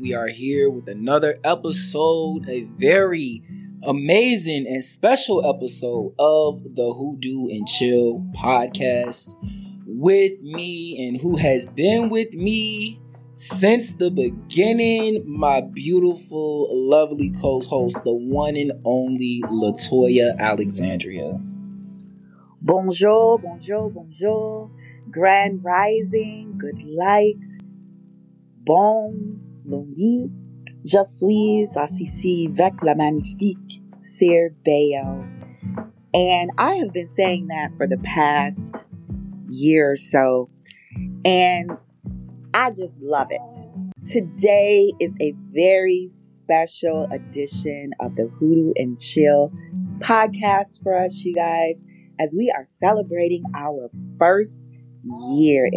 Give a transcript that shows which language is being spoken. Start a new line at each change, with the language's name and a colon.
English: We are here with another episode, a very amazing and special episode of the Hoodoo and Chill podcast. With me and who has been with me since the beginning, my beautiful, lovely co-host, the one and only LaToya Alexandria.
French: Bonjour, bonjour, bonjour.
English: Grand rising, good light.
French: Bon lundi. Je suis assise avec la magnifique Sir Bayo.
English: And I have been saying that for the past year or so, and I just love it. Today is a very special edition of the Hoodoo and Chill podcast for us, you guys, as we are celebrating our first year.